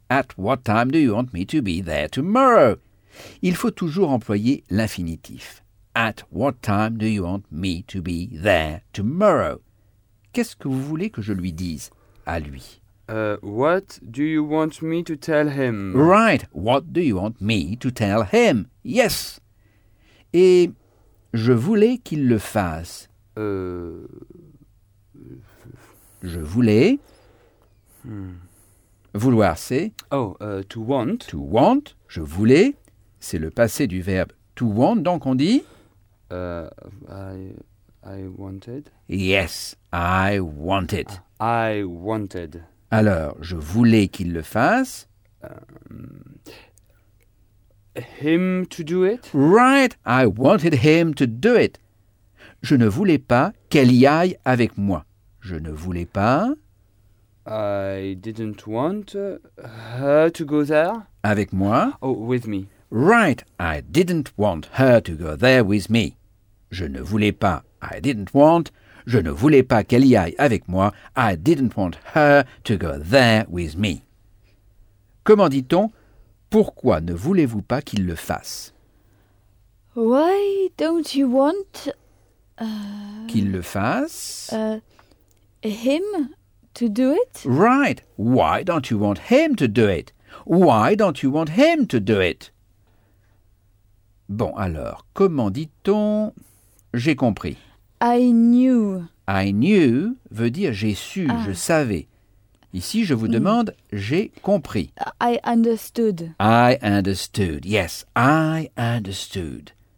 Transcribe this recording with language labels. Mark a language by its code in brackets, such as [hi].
[en] At what time do you want me to be there tomorrow? [fr] Il faut toujours employer l'infinitif. [en] At what time do you want me to be there tomorrow? [fr] Qu'est-ce que vous voulez que je lui dise à lui? [en] What do you want me to tell him? Right. What do you want me to tell him? Yes. [fr] Et je voulais qu'il le fasse. Je voulais. Vouloir, c'est... [en] Oh, to want. To want. [fr] Je voulais. C'est le passé du verbe [en] to want. [fr] Donc, on dit... [en] I wanted. Yes. I wanted. I wanted. [fr] Alors, je voulais qu'il le fasse. [en] Him to do it? Right, I wanted him to do it. [fr] Je ne voulais pas qu'elle y aille avec moi. Je ne voulais pas... [en] I didn't want her to go there. [fr] Avec moi. [en] Oh, with me. Right, I didn't want her to go there with me. [fr] Je ne voulais pas, [en] I didn't want, [fr] je ne voulais pas qu'elle y aille avec moi, [en] I didn't want her to go there with me. [fr] Comment dit-on, pourquoi ne voulez-vous pas qu'il le fasse? [en] Why don't you want... [fr] qu'il le fasse... [en] Him to do it? Right, why don't you want him to do it? Why don't you want him to do it? [fr] Bon, alors, comment dit-on... J'ai compris. [en] I knew. I knew [fr] veut dire j'ai su, ah. Je savais. Ici, je vous demande, j'ai compris. [en] I understood. I understood, yes, I understood.